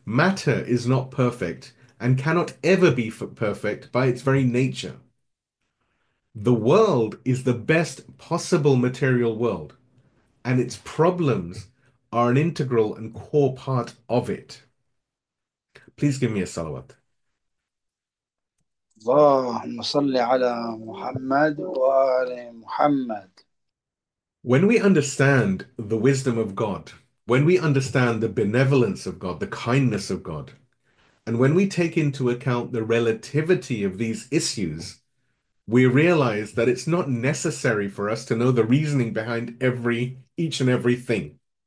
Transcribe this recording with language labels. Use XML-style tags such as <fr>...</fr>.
<en>Matter is not perfect and cannot ever be perfect by its very nature. The world is the best possible material world, and its problems are an integral and core part of it. Please give me a salawat.</en> <ar>اللهم صل على محمد وآل محمد.</ar> <en>When we understand the wisdom of God, when we understand the benevolence of God, the kindness of God, and when we take into account the relativity of these issues, we realize that it's not necessary for us to know the reasoning behind each and everything.</en>